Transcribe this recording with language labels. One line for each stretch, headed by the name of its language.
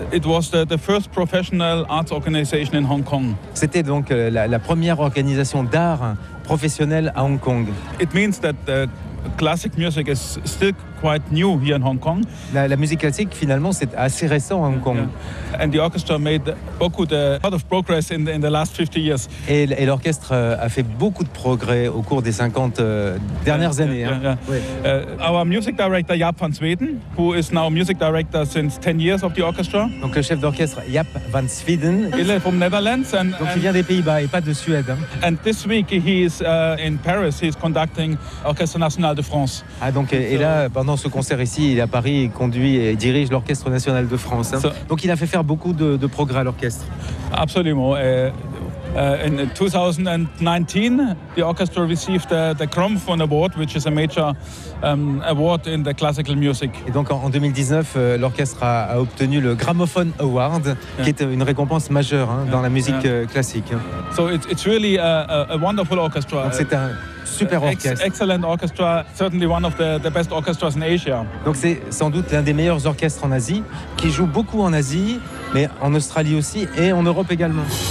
English: It was the first professional arts organization in Hong Kong.
French: C'était donc la première organisation d'art professionnelle à Hong Kong.
English: It means that the classic music is still quite new here in Hong Kong.
French: La musique classique, finalement, c'est assez récent à Hong Kong.
English: Yeah. And the orchestra made a lot of progress in the last 50 years.
French: Et l'orchestre a fait beaucoup de progrès au cours des 50 dernières années.
English: Yeah, yeah. Our music director, Jaap van Zweden, who is now music director since 10 years of the orchestra.
French: Donc le chef d'orchestre, Jaap van Zweden. Il est
English: from Netherlands.
French: Donc il vient des Pays-Bas et pas de Suède. Hein.
English: And this week he is in Paris. He is conducting Orchestre National de France.
French: Ah, donc et là, pendant ce concert ici, il est à Paris, il conduit et dirige l'Orchestre National de France. Hein. So, donc il a fait faire beaucoup de progrès à l'orchestre. Absolument.
English: In 2019, the orchestra received the Kromfon Award, which is a major award in the classical music.
French: Et donc en 2019, l'orchestre a obtenu le Gramophone Award, yeah, qui est une récompense majeure hein, dans la musique classique.
English: So it's really a wonderful orchestra.
French: Donc c'est un super orchestre.
English: Excellent orchestra, certainly one of the best orchestras in Asia.
French: Donc c'est sans doute l'un des meilleurs orchestres en Asie, qui joue beaucoup en Asie, mais en Australie aussi et en Europe également.